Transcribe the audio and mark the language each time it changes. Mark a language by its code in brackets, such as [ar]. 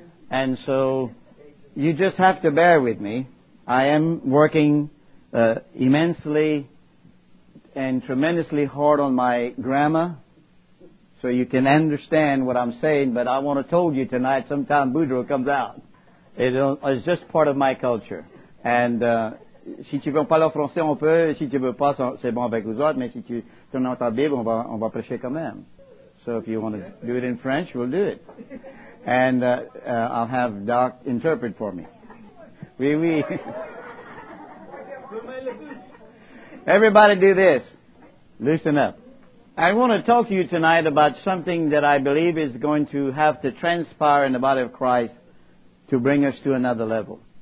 [en] And so you just have to bear with me. I am working immensely and tremendously hard on my grammar, so you can understand what I'm saying, but I want to tell you tonight, sometime Boudreaux comes out. It's just part of my culture. [fr] And si tu veux parler français, on peut. Si tu veux pas, c'est bon avec vous autres, mais si tu tournes ta Bible, on va prêcher quand même. [en] So if you want to do it in French, we'll do it. And I'll have Doc interpret for me. Oui, oui. Everybody do this. Loosen up. I want to talk to you tonight about something that I believe is going to have to transpire in the body of Christ to bring us to another level.